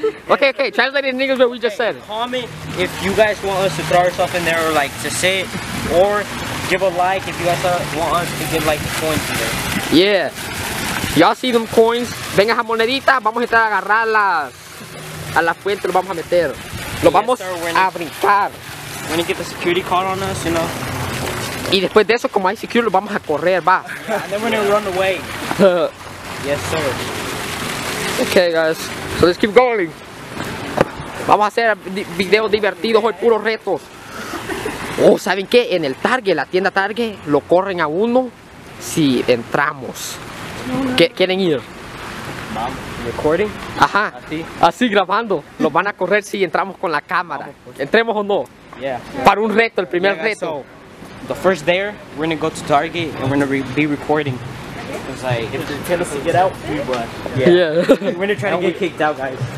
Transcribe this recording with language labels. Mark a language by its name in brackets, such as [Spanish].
[English] Okay, translate in English what we just said. Comment if you guys want us to throw ourselves in there or like to sit or give a like if you guys want us to give like the coins here. Yeah. Y'all see them coins? [Spanish] Venga esa monedita, vamos a entrar a agarrarlas. A la fuente lo vamos a meter. Lo vamos a brincar. [English] When you get the security card on us, you know. [Spanish] Y después de eso, como hay security, lo vamos a correr, va. [English] And then we're gonna run away. Yes, sir. Okay, guys. So let's keep going. [Spanish] Vamos a hacer videos divertidos hoy, puros retos. Oh, ¿saben qué? En el Target, la tienda Target, lo corren a uno si entramos. ¿Quieren ir? [English] ¿Recording? Ajá. [Spanish] Así grabando. Los van a correr si entramos con la cámara. ¿Entremos o no? [English] Yeah. [Spanish] Para un reto, el primer reto. [English] So, the first day, we're gonna go to Target and we're gonna be recording. Like, if they tell us to get out, we would. Yeah. We're trying to get kicked out, guys.